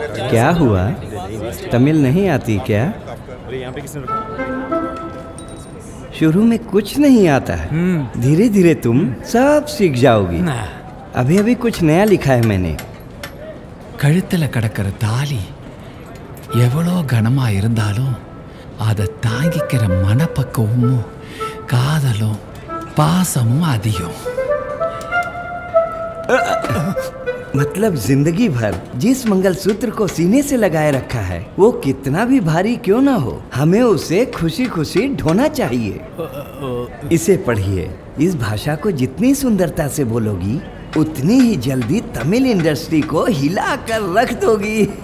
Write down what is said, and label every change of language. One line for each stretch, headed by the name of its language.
Hindi: क्या हुआ, तमिल नहीं आती क्या? शुरू में कुछ नहीं आता है, धीरे धीरे तुम सब सीख जाओगी। अभी अभी कुछ नया लिखा है मैंने।
Tamil: கழுத்துல கடக்கிற தாலி எவ்வளோ கனமா இருந்தாலும் அதை தாங்கிக்கிற மனப்பக்குவமும் காதலும் பாசமும் அதிகம்.
Hindi: मतलब जिंदगी भर जिस मंगल सूत्र को सीने से लगाए रखा है वो कितना भी भारी क्यों ना हो, हमें उसे खुशी खुशी ढोना चाहिए। इसे पढ़िए, इस भाषा को जितनी सुंदरता से बोलोगी उतनी ही जल्दी तमिल इंडस्ट्री को हिला कर रख दोगी।